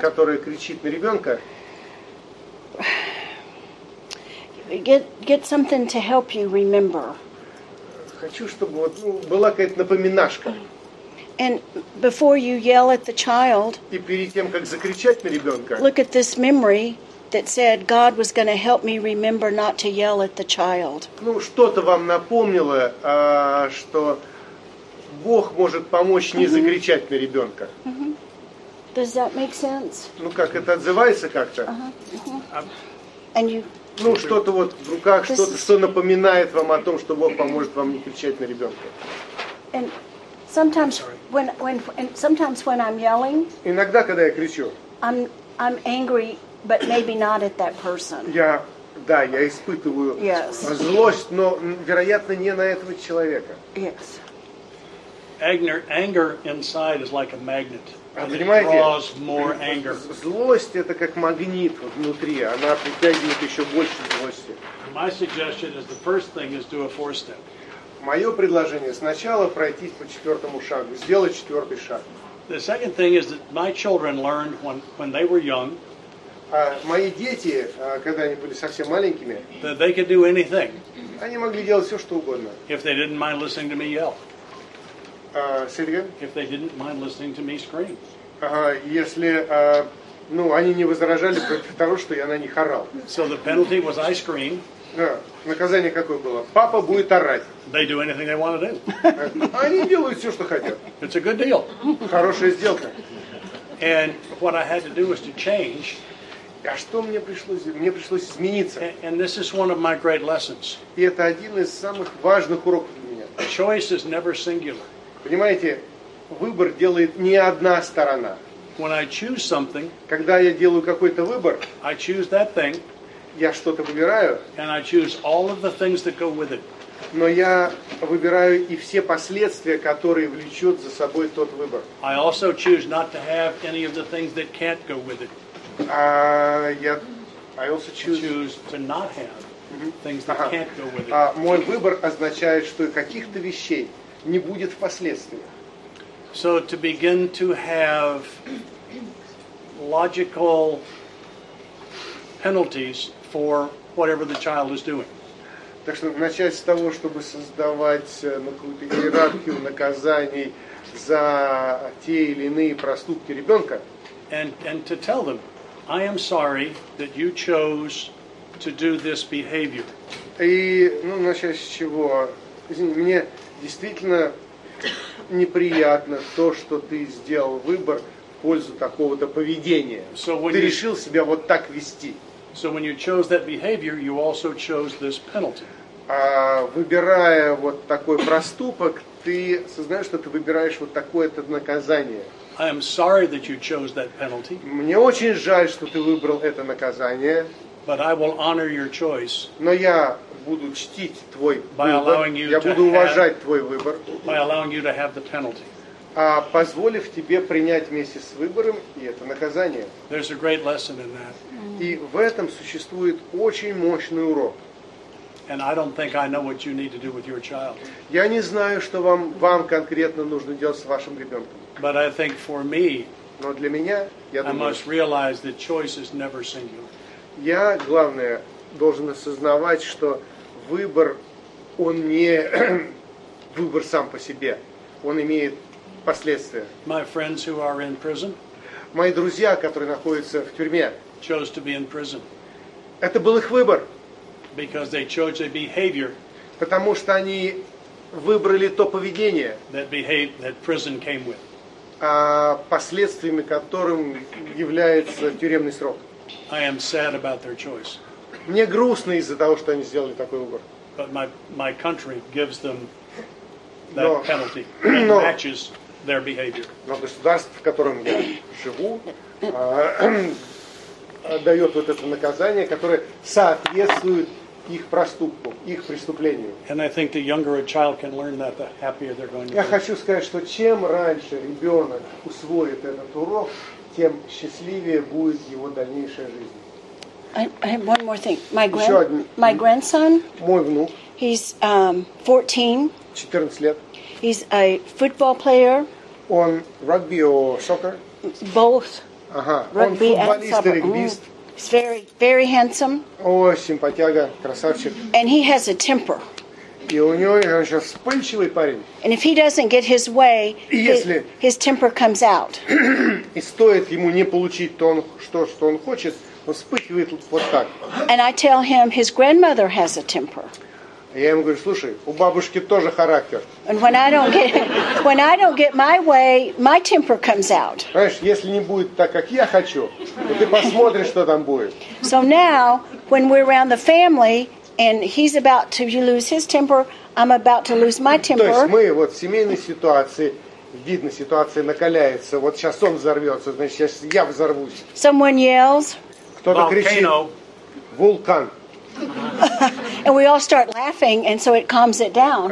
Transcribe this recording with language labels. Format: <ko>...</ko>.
<ru>Которая кричит на ребенка.</ru> <en>Get something to help you remember.</en> <ru>Хочу, чтобы вот, была какая-то напоминашка.</ru> <en>And before you yell at the child.</en> <ru>И перед тем, как закричать на ребенка.</ru> <en>Look at this memory that said God was going to help me remember not to yell at the child.</en> <ru>Ну, что-то вам напомнило, что Бог может помочь не закричать на ребенка.</ru> <en>Mm-hmm. Does that make sense?</en> <ru>Ну как это отзывается как-то?</ru> <en>And you...</en> <ru>Ну что-то вот в руках, что-то, что напоминает вам о том, что Бог поможет вам не кричать на ребенка.</ru> <en>And sometimes when I'm yelling.</en> <ru>Иногда, когда я кричу.</ru> <en>I'm angry, but maybe not at that person.</en> <ru>Я испытываю злость, но вероятно не на этого человека.</ru> <en>Yes. Anger inside is like a magnet.</en> <ru>Понимаете,</ru> <en>draws more anger.</en> <ru>Злость это как магнит внутри, она притягивает еще больше злости.</ru> <en>My suggestion is the first thing is do a four step.</en> <ru>Мое предложение сначала пройтись по четвертому шагу, сделать четвертый шаг.</ru> <en>The second thing is that my children learned when they were young.</en> <ru>Мои дети, когда они были совсем маленькими, that they could do anything. Они могли делать все что угодно.</ru> <en>If they didn't mind listening to me yell. Say it again. If they didn't mind listening to me scream.</en> <ru>Они не возражали против того, что я на них орал.</ru> <en>So the penalty was I scream.</en> <ru>Наказание какое было? Папа будет орать.</ru> <en>They do anything they want to do.</en> <ru>Они делают все, что хотят.</ru> <en>It's a good deal.</en> <ru>Хорошая сделка.</ru> <en>And what I had to do was to change.</en> <ru>А что мне пришлось? Мне пришлось измениться.</ru> <en>And this is one of my great lessons.</en> <ru>И это один из самых важных уроков для меня.</ru> <en>Choice is never singular.</en> <ru>Понимаете, выбор делает не одна сторона.</ru> <en>When I choose something,</en> <ru>когда я делаю какой-то выбор,</ru> <en>I choose that thing,</en> <ru>я что-то выбираю,</ru> <en>and I choose all of the things that go with it.</en> <ru>Но я выбираю и все последствия, которые влечет за собой тот выбор.</ru> <en>I also choose not to have any of the things that can't go with it. I choose to not have things that can't go with it.</en> <ru>Мой выбор означает, что каких-то вещей не будет впоследствии.</ru> <en>So to begin to have logical penalties for whatever the child is doing.</en> <ru>Так что начать с того, чтобы создавать какую-то иерархию наказаний за те или иные проступки ребенка.</ru> <en>And to tell them, I am sorry that you chose to do this behavior.</en> <ru>И, ну, начать с чего? Извините, мне действительно неприятно то, что ты сделал выбор в пользу такого-то поведения.</ru> <en>So</en> <ru>ты</ru> <en>you...</en> <ru>решил себя вот так вести.</ru> <en>So when you chose that behavior, you also chose this penalty.</en> <ru>Выбирая вот такой проступок, ты сознаешь, что ты выбираешь вот такое-то наказание.</ru> <en>I am sorry that you chose that penalty.</en> <ru>Мне очень жаль, что ты выбрал это наказание.</ru> <en>But I will honor your choice.</en> <ru>Но я буду чтить твой выбор. Я буду уважать твой выбор.</ru> <en>By allowing you to have the penalty.</en> <ru>позволив тебе принять вместе с выбором и это наказание.</ru> <en>There's a great lesson in that.</en> <ru>И в этом существует очень мощный урок.</ru> <en>And I don't think I know what you need to do with your child.</en> <ru>Я не знаю, что вам конкретно нужно делать с вашим ребенком.</ru> <en>But I think for me,</en> <ru>но для меня, я думаю,</ru> <en>I must realize that choice is never singular.</en> <ru>Я, главное, должен осознавать, что выбор, он не выбор сам по себе. Он имеет последствия.</ru> <en>My friends who are in prison,</en> <ru>мои друзья, которые находятся в тюрьме,</ru> <en>chose to be in prison.</en> <ru>Это был их выбор.</ru> <en>Because they chose their behavior.</en> <ru>Потому что они выбрали то поведение,</ru> <en>that behave, that prison came with.</en> <ru>А последствиями которым является тюремный срок.</ru> <en>I am sad about their choice.</en> <ru>Мне грустно из-за того, что они сделали такой выбор.</ru> <en>But my country gives them that penalty and matches their behavior.</en> <ru>Но государство, в котором я живу, дает вот это наказание, которое соответствует их проступку, их преступлению.</ru> <en>And I think the younger a child can learn that, the happier they're going to be.</en> <ru>Я хочу сказать, что чем раньше ребенок усвоит этот урок, тем счастливее будет его дальнейшая жизнь.</ru> <en>I have one more thing. My grandson,</en> <ru>мой внук,</ru> <en>he's 14.</en> <ru>14 лет.</ru> <en>He's a football player.</en> <ru>Он</ru> <en>rugby or soccer? Both.</en> <ru>Ага.</ru> <en>Rugby</en> <ru>он футболист</ru> <en>and soccer.</en> <ru>И регбист.</ru> <en>He's very, very handsome.</en> <ru>О, симпатяга, красавчик.</ru> <en>And he has a temper.</en> <ru>И у него еще вспыльчивый парень.</ru> <en>And if he doesn't get his way,</en> <ru>если</ru> <en>his temper comes out.</en> <ru>И стоит ему не получить то, что он хочет, он вспыхивает вот так.</ru> <en>And I tell him his grandmother has a temper.</en> <ru>Я ему говорю, слушай, у бабушки тоже характер.</ru> <en>And when I don't get my way, my temper comes out.</en> <ru>Знаешь, если не будет так, как я хочу, то ты посмотришь, что там будет.</ru> <en>So now, when we're around the family, and he's about to lose his temper, I'm about to lose my temper.</en> <ru>То есть мы вот в семейной ситуации, видно, ситуация накаляется. Вот сейчас он взорвется, значит, сейчас я взорвусь.</ru> <en>Someone yells.</en> <ru>Кто-то кричит. Вулкан.</ru> <en>And we all start laughing, and so it calms it down.</en>